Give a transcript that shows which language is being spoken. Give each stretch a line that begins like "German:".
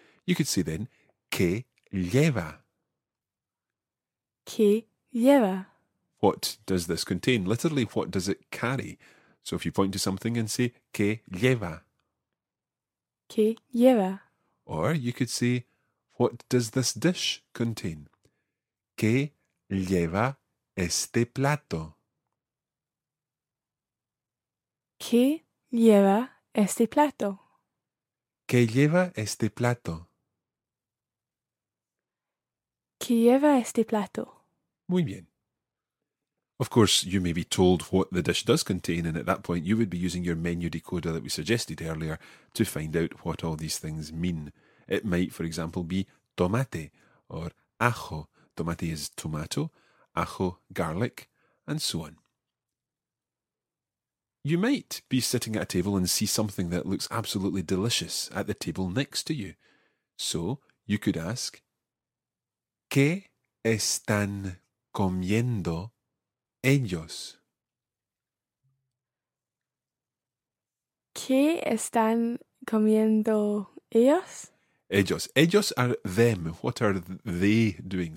English: You could say then,
Spanish: ¿qué lleva? ¿Qué lleva?
English: What does this contain? Literally, what does it carry? So if you point to something and say,
Spanish: ¿qué lleva? ¿Qué lleva?
English: Or you could say, what does this dish contain?
Spanish: ¿Qué lleva este plato? ¿Qué lleva este plato? ¿Qué lleva este plato? ¿Qué lleva este plato? Muy bien.
English: Of course, you may be told what the dish does contain, and at that point you would be using your menu decoder that we suggested earlier to find out what all these things mean. It might, for example, be tomate or ajo. Tomate is tomato, ajo, garlic, and so on. You might be sitting at a table and see something that looks absolutely delicious at the table next to you. So, you could ask,
Spanish: ¿Qué están comiendo ellos? ¿Qué están comiendo ellos?
English: Ellos. Ellos are them. What are they doing?